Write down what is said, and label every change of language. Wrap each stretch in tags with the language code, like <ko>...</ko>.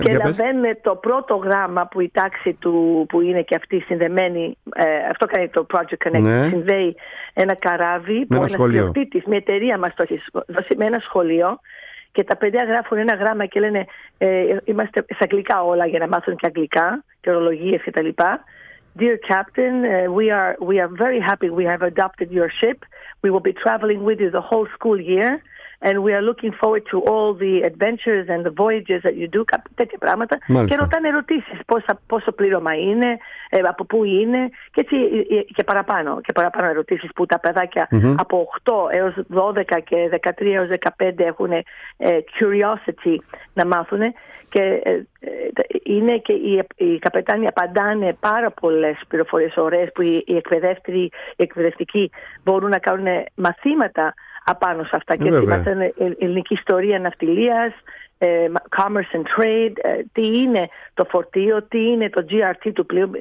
<el>λαμβάνουν το πρώτο γράμμα που η τάξη του, που είναι και αυτή συνδεμένη, αυτό κάνει το Project Connect, συνδέει ένα καράβι με ένα σχολείο. Μια εταιρεία μας το έχει δώσει με ένα σχολείο. Και τα παιδιά γράφουν ένα γράμμα και λένε είμαστε σε αγγλικά όλα για να μάθουν και αγγλικά, και ορολογίες και τα λοιπά.</el> <en>Dear Captain, we are very happy we have adopted your ship. We will be traveling with you the whole school year. And we are looking forward to all the adventures and the voyages that you do.</en> <el>Τέτοια πράγματα. Μάλιστα. Και ρωτάνε ερωτήσεις πόσο πλήρωμα είναι, από πού είναι. Και έτσι και παραπάνω. Και παραπάνω ερωτήσεις που τα παιδάκια από 8 έως 12 και 13 έως 15 έχουν curiosity να μάθουν. Και είναι και οι καπετάνοι απαντάνε πάρα πολλές πληροφορίες ωραίες που οι εκπαιδευτικοί μπορούν να κάνουν μαθήματα απάνω σε αυτά. Και μάθαν ελληνική ιστορία ναυτιλίας,</el> <en>commerce and trade,</en> <el>τι είναι το φορτίο, τι είναι το GRT του πλοίου.</el>